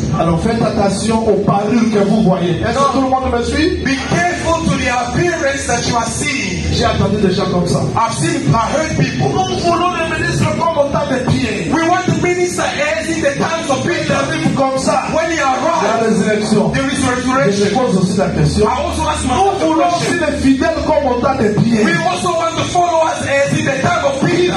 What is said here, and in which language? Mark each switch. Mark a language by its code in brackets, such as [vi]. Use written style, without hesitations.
[fr] Alors faites attention aux parures que vous voyez. Est-ce que tout le monde me suit? [en] Be careful to the appearance that you are seeing. [fr] J'ai entendu des gens comme ça. [en] I've seen, I've heard people. [fr] Nous voulons les ministres comme au temps de Pierre. [en] We want the minister as in the times of Peter. [fr] Comme ça. [en] When he arrives, [fr] la résurrection. [en] There is resurrection. [fr] Et je pose aussi la question. [en] I also ask my [fr] nous voulons aussi les fidèles comme au temps de Pierre. [en] We also want the followers as in the time of Peter.